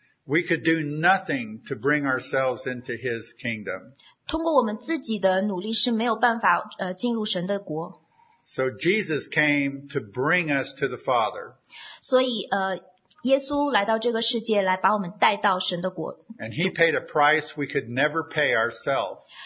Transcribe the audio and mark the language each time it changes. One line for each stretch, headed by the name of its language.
English: We could do nothing to bring ourselves into his kingdom.
Chinese: 通过我们自己的努力是没有办法进入神的国。
English: So Jesus came to bring us to the Father.
Chinese: 所以耶稣来到这个世界，来把我们带到神的国。
English: And he paid a price we could never pay ourselves.